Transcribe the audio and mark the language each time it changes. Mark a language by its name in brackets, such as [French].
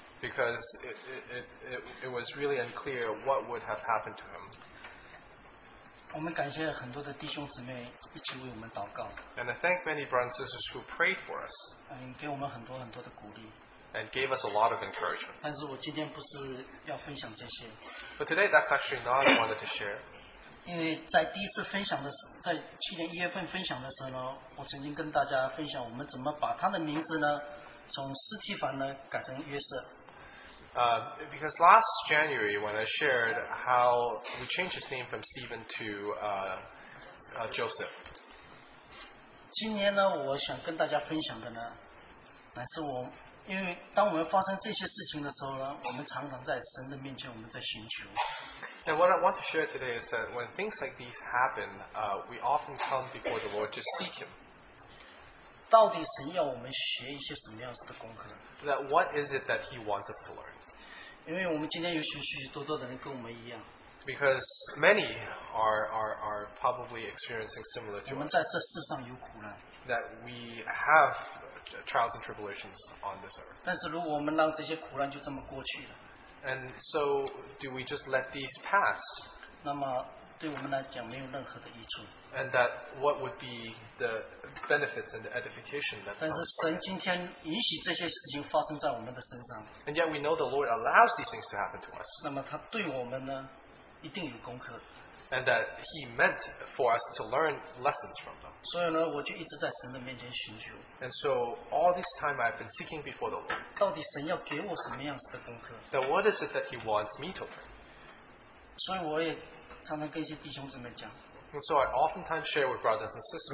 [English] Because it was really unclear what would have happened to him. [Chinese] 我们感谢很多的弟兄姊妹一起为我们祷告。 [English] And I thank many brothers and sisters who prayed for us. [Chinese] 给我们很多很多的鼓励。 [English] And gave us a lot of encouragement. [Chinese] 但是我今天不是要分享这些。 [English] But today that's actually not what I wanted to share. [Chinese] 因为在第一次分享的时候，在去年一月份分享的时候呢，我曾经跟大家分享我们怎么把他的名字呢，从斯提凡呢改成约瑟。 [English] Because last January when I shared how we changed his name from Stephen to Joseph. [Chinese] 今年呢，我想跟大家分享的呢，乃是我因为当我们发生这些事情的时候呢，我们常常在神的面前，我们在寻求。 [English] And what I want to share today is that when things like these happen, we often come before the Lord to seek Him. [Chinese] 到底神要我们学一些什么样子的功课呢？ [English] That what is it that He wants us to learn? [Chinese] 因为我们今天有许许多多的人跟我们一样。 [English] Because many are probably experiencing similar to us. [Chinese] 我们在这世上有苦难。 [English] That we have trials and tribulations on this earth. [Chinese] 但是如果我们让这些苦难就这么过去了。 [English] And so, do we just let these pass? [Chinese] 那么对我们来讲没有任何的益处。 [English] And that what would be the benefits and the edification that comes from it? [Chinese] 但是神今天允许这些事情发生在我们的身上。 [English] And yet we know the Lord allows these things to happen to us. [Chinese] 那么他对我们呢，一定有功课。 [English] and that he meant for us to learn lessons from them. [Chinese] 所以呢, [English] and so all this time I've been seeking before the Lord. [Chinese] 到底神要给我什么样子的功课? [English] Now what is it that he wants me to learn? [Chinese] 所以我也常常跟一些弟兄姊妹讲, [English] and so I oftentimes share with brothers and sisters,